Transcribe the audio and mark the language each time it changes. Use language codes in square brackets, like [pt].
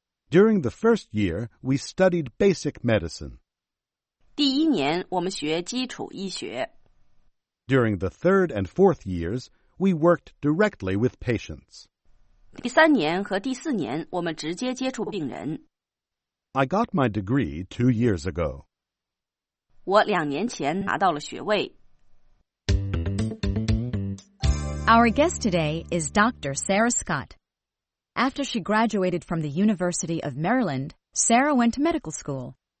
[en] During the first year, we studied basic medicine. [zh] 第一年我们学基础医学。 [en] During the third and fourth years, we worked directly with patients. [zh] 第三年和第四年我们直接接触病人。 [en] I got my degree 2 years ago. [zh] 我2年前拿到了学位。 [en] Our guest today is Dr. Sarah Scott. After she graduated from the University of Maryland, Sarah went to medical school.